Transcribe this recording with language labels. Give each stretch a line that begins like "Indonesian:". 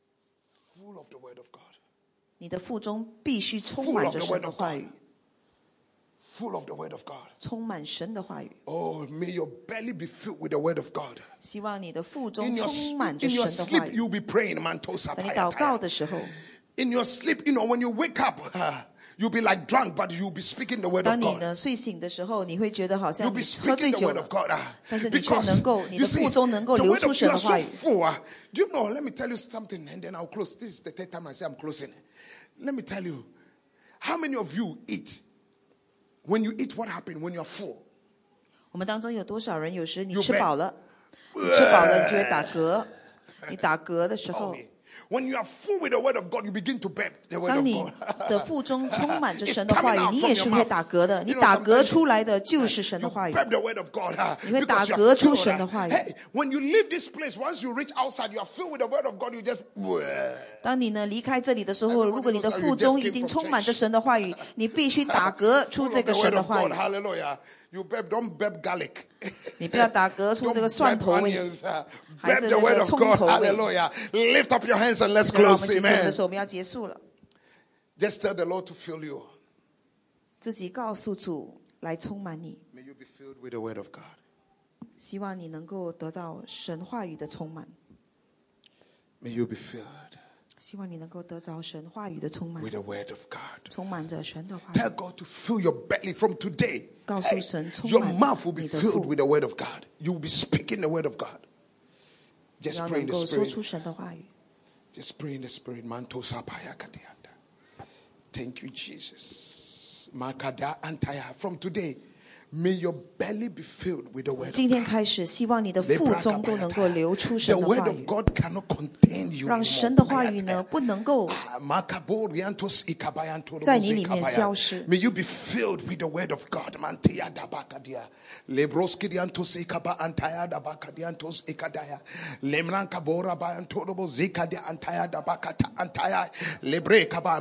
English: stripes, I am healed. Ah, because your stripes, I am healed. Ah, because your stripes, I am healed. Ah, because your stripes, I am healed. Ah, because your stripes, I am healed. Ah, because In your sleep, you know, when you wake up, you'll be like drunk, but you'll be speaking the word of God.
Chinese: 当你呢睡醒的时候，你会觉得好像你喝醉酒了。
English: You'll be speaking the word of God.
Chinese: 但是你却能够，你的腹中能够流出神的话语。
English: You're so full. Do you know? Let me tell you something, and then I'll close. This is the third time I say I'm closing. Let me tell you, how many of you eat? When you eat, what happened when you're full?
Chinese: 我们当中有多少人有时你吃饱了，你吃饱了你就会打嗝，你打嗝的时候。
English: When you are full with the word of God, you begin to burp the word of God.
Chinese: 当你的腹中充满着神的话语，你也是会打嗝的。你打嗝出来的就是神的话语。
English: You burp the word of God.
Chinese: 你会打嗝出神的话语。
English: Hey, when you leave this place, once you reach outside, you are filled with the word of God. You just.
Chinese: 当你呢离开这里的时候，如果你的腹中已经充满着神的话语，你必须打嗝出这个神的话语。
English: Hallelujah. You burp. Don't burp garlic.
Chinese: 你不要打嗝出这个蒜头味。
English: Grab the word of God, hallelujah. Lift up your hands and let's close, amen. Just tell the Lord to fill you.
Chinese: 自己告诉主来充满你。
English: May you be filled with the word of God.
Chinese: 希望你能够得到神话语的充满。
English: May you be filled.
Chinese: 希望你能够得到神话语的充满。
English: With the word of God.
Chinese: 充满着神的话语。
English: Tell God to fill your belly from today.
Chinese: 告诉神充满。
English: Your mouth will be filled with the word of God. You will be speaking the word of God. Just pray in the spirit. Just pray in the spirit. Manto sabaya kadianda. Thank you, Jesus. Makada antaya. From today, may your belly be filled with the word.
Chinese: 今天开始，希望你的腹中都能够流出神的话语。
English: The word of God cannot contain you.
Chinese: 让神的话语呢不能够。 Makabori antos ikabaya anto. 在你里面消失。
English: May you be filled with the word of God. Mantia dabakadia. Lebroski antos ikaba antaya dabakadia antos ikadaya. Lemlankabora ba anto dobo zikadia antaya dabakata antaya. Lebre kaba.